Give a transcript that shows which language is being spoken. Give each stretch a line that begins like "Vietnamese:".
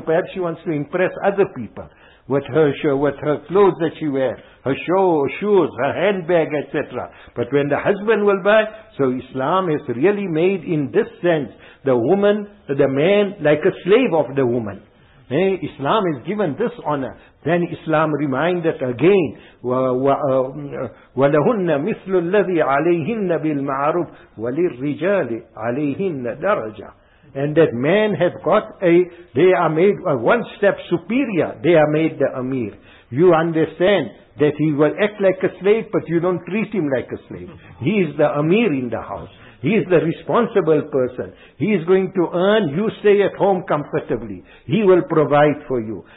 English: Perhaps she wants to impress other people with her show, with her clothes that she wears, her show, shoes, her handbag, etc. But when the husband will buy, so Islam has really made in this sense the woman, the man, like a slave of the woman. Eh? Islam has given this honor. Then Islam reminded again,
Arabic: وَلَهُنَّ مِثْلُ الَّذِي عَلَيْهِنَّ بِالْمَعْرُفِ وَلِلْرِّجَالِ عَلَيْهِنَّ دَرَجَةً.
English: And that men have got a, they are made a one step superior, they are made the Amir. You understand that he will act like a slave, but you don't treat him like a slave. He is the Amir in the house. He is the responsible person. He is going to earn, you stay at home comfortably. He will provide for you.